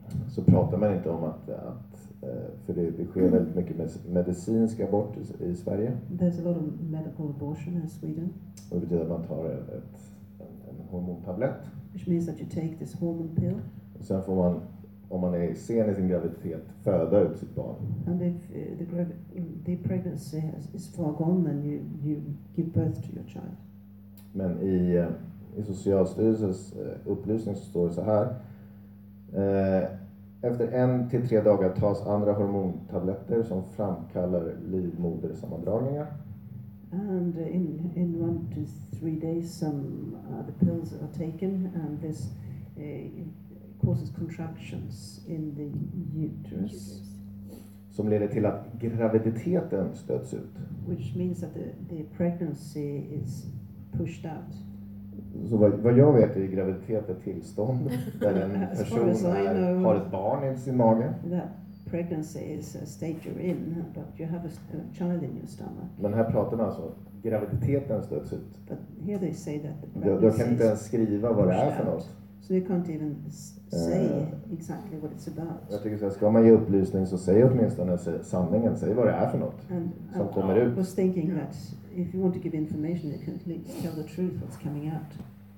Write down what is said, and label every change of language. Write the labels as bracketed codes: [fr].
[sv] Så pratar man inte om att för det sker väldigt mycket medicinska aborter i Sverige. [en] There's a lot of medical abortion in Sweden. [sv] Och det betyder att man tar en hormontablett. [en] Which means that you take this hormone pill. [sv] Och sen får man, om man är sen i sin graviditet, föda ut sitt barn. [en] And if the pregnancy is far gone, then you give birth to your child. [sv] Men i Socialstyrelsens upplysning så står det så här. Efter 1-3 dagar tas andra hormontabletter som framkallar livmodersammandragningar. [en] And in 1-3 days some other pills are taken and this causes contractions in the uterus. [sv] som leder till att graviditeten stöts ut. [en] Which means that the pregnancy is pushed out. [sv] Så vad jag vet är graviditet ett tillstånd där en person har ett barn i sin mage. [en] That pregnancy is a state you're in, but you have a child in your stomach. [sv] Men här pratar man alltså att graviditeten stöts ut. [en] But here they say that the pregnancy. [sv] Du kan inte ens skriva vad det är för något. [en] So you can't even say exactly what it's about. [sv] Jag tycker så här, ska man ge upplysning så säg åtminstone sanningen, säg vad det är för något som kommer ut. [en] I was thinking that if you want to give information, you can at least tell the truth what's coming out.